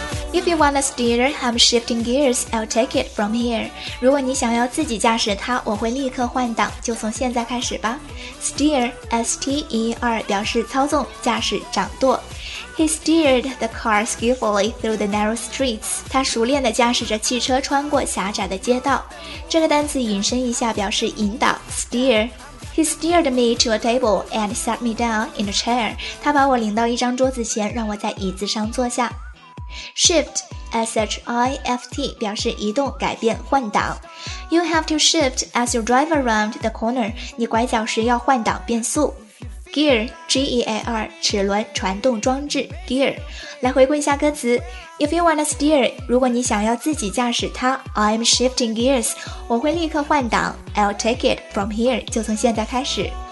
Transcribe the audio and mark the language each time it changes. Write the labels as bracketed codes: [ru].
[en] If you want a steer, I'm shifting gears. I'll take it from here. [zh] 如果你想要自己驾驶它，我会立刻换挡，就从现在开始吧。 Steer, S-T-E-R, 表示操纵、驾驶、掌舵。 [en] He steered the car skillfully through the narrow streets. [zh] 他熟练地驾驶着汽车穿过狭窄的街道。这个单词引申一下，表示引导。 [en] Steer. He steered me to a table and sat me down in a chair. [zh] 他把我领到一张桌子前，让我在椅子上坐下。Shift, S-H-I-F-T, 表示移动、改变、换挡。 [en] You have to shift as you drive around the corner. [zh] 你拐角时要换挡变速。 Gear, G-E-A-R, 齿轮、传动装置。Gear, 来回顾一下歌词。 [en] If you wanna steer, [zh] 如果你想要自己驾驶它。 [en] I'm shifting gears, [zh] 我会立刻换挡。 [en] I'll take it from here, [zh] 就从现在开始。